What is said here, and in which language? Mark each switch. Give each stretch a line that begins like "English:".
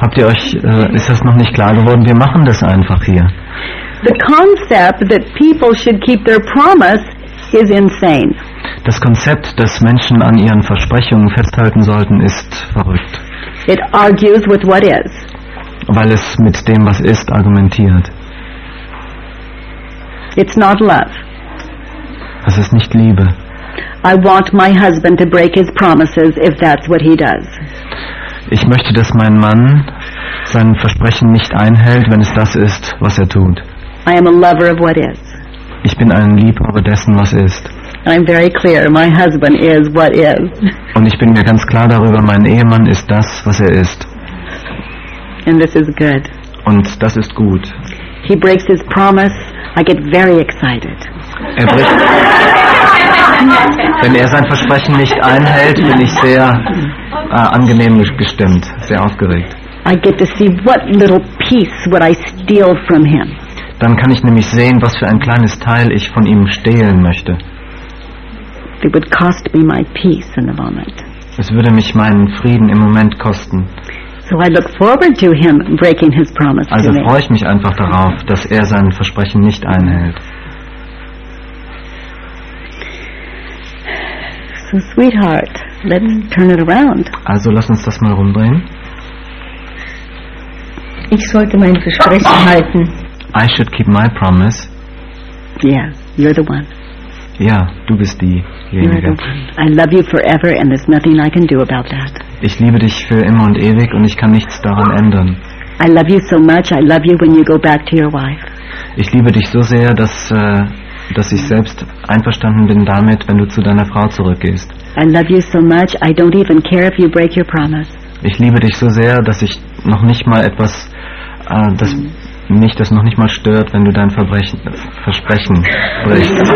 German: Habt ihr euch, ist das noch nicht klar geworden? Wir machen das einfach hier.
English: The concept that people should keep their promise is insane.
German: Das Konzept, dass Menschen an ihren Versprechungen festhalten sollten, ist verrückt.
English: It argues with what is.
German: Weil es mit dem, was ist, argumentiert.
English: It's not love.
German: Es ist nicht Liebe.
English: I want my husband to break his promises if that's what he does.
German: Ich möchte, dass mein Mann sein Versprechen nicht einhält, wenn es das ist, was er tut.
English: I am a lover of what is.
German: Ich bin ein Liebhaber dessen, was ist.
English: I'm very clear, my husband is what is.
German: Und ich bin mir ganz klar darüber, mein Ehemann ist das, was er ist.
English: And this is good.
German: Und das ist gut.
English: He breaks his promise, I get very excited.
German: Er bricht. Wenn er sein Versprechen nicht einhält, bin ich sehr angenehm gestimmt, sehr aufgeregt.
English: I get to see what little piece would I steal from him.
German: Dann kann ich nämlich sehen, was für ein kleines Teil ich von ihm stehlen möchte.
English: It would cost me my peace in the moment.
German: Es würde mich meinen Frieden im Moment kosten.
English: So I look forward to him breaking his promise.
German: Also freue ich mich einfach darauf, dass er sein Versprechen nicht einhält.
English: So, sweetheart, let's turn it around.
German: Also lass uns das mal rumdrehen. Ich sollte mein Versprechen halten.
English: I should keep my promise. Yeah, you're the one.
German: Ja, du bist diejenige.
English: I love you forever and there's nothing I can do about that.
German: Ich liebe dich für immer und ewig und ich kann nichts daran ändern.
English: I love you so much. I love you when you go back to your wife.
German: Ich liebe dich so sehr, dass ich selbst einverstanden bin damit, wenn du zu deiner Frau zurückgehst.
English: I love you so much, I don't even care if you break your promise.
German: Ich liebe dich so sehr, dass ich noch nicht mal etwas, das mich das noch nicht mal stört, wenn du dein Versprechen brichst.